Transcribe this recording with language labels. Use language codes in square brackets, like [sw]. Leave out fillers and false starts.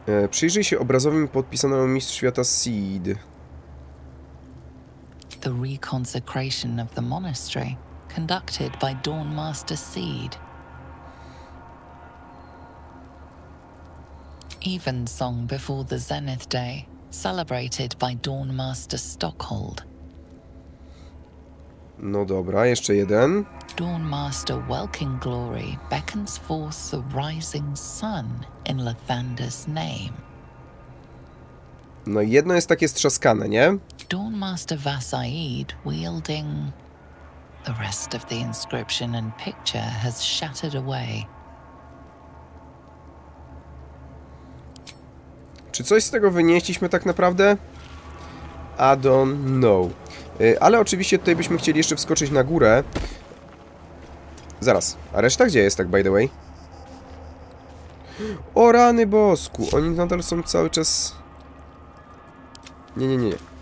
[pl] Przyjrzyj się obrazowi podpisanemu Mistrz Świata Seed. [en] The reconsecration of the monastery conducted by Dawnmaster Seed. Evensong before the Zenith Day. Celebrated by Dawnmaster Stockhold. [pl] No dobra, jeszcze jeden. [en] Dawnmaster Welkin Glory beckons forth the rising sun in Lathander's name. [pl] No jedno jest takie strzaskane, nie? [en] Dawnmaster Vasaid wielding. The rest of the inscription and picture has shattered away. [pl] Czy coś z tego wynieśliśmy tak naprawdę? [en] I don't know. [pl] Ale oczywiście tutaj byśmy chcieli jeszcze wskoczyć na górę. Zaraz, a reszta gdzie jest tak, [en] by the way? [pl] O rany bosku, oni nadal są cały czas... Nie.